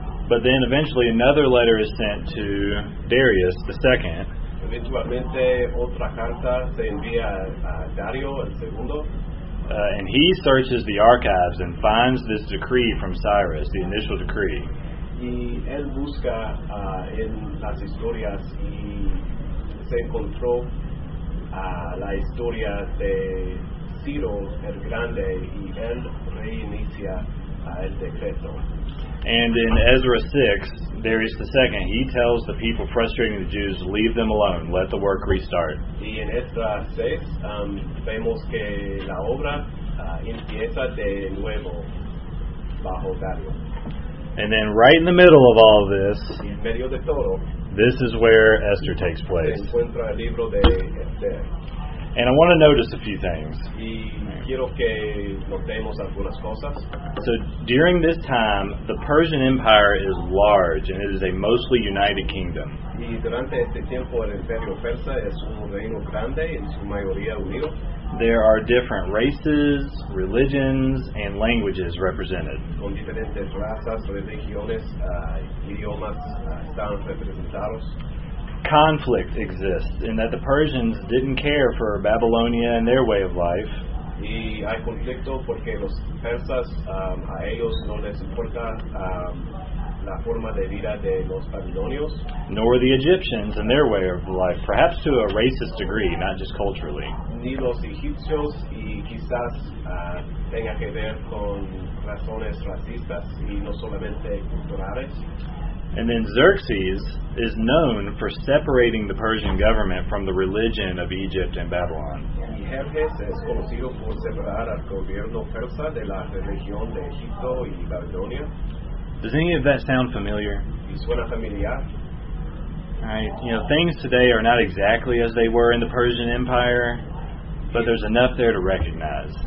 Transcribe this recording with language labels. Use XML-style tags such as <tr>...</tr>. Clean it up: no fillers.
<en>But then eventually another letter is sent to Darius the II.</en> <es>Eventualmente otra carta se envía a Dario el segundo.</es> <en>And he searches the archives and finds this decree from Cyrus, the initial decree.</en> <es>Y él busca en las historias y se encontró la historia de Ciro el Grande y él reinicia el decreto.</es> <en>And in Ezra 6, Darius II, he tells the people frustrating the Jews, leave them alone, let the work restart.</en> <es>Y en Ezra 6, vemos que la obra empieza de nuevo bajo Darius.</es> <en>And then right in the middle of all of this,</en> <es>en medio de todo,</es> <en>this is where Esther takes place.</en> <es>Se encuentra el libro de Esther.</es> <en>And I want to notice a few things.</en> <es>Y quiero que notemos algunas cosas.</es> <en>So during this time, the Persian Empire is large, and it is a mostly united kingdom.</en> <es>Y durante este tiempo, el Imperio Persa es un reino grande, en su mayoría unido.</es> <en>There are different races, religions, and languages represented.</en> <es>Con diferentes razas, religiones, idiomas, están representados.</es> <en>Conflict exists in that the Persians didn't care for Babylonia and their way of life.</en> <es>Y hay conflicto porque los persas a ellos no les importa la forma de vida de los babilonios.</es> <en>Nor the Egyptians and their way of life, perhaps to a racist degree, not just culturally.</en> <es>Ni los egipcios y quizás tenga que ver con razones racistas y no solamente culturales.</es> <en>And then Xerxes is known for separating the Persian government from the religion of Egypt and Babylon.</en> <es>Y Xerxes es conocido por separar al gobierno persa de la religión de Egipto y Babilonia.</es> <en>Does any of that sound familiar?</en> <es>¿Y suena familiar?</es> <en>Right. You know, things today are not exactly as they were in the Persian Empire, but there's enough there to recognize.</en>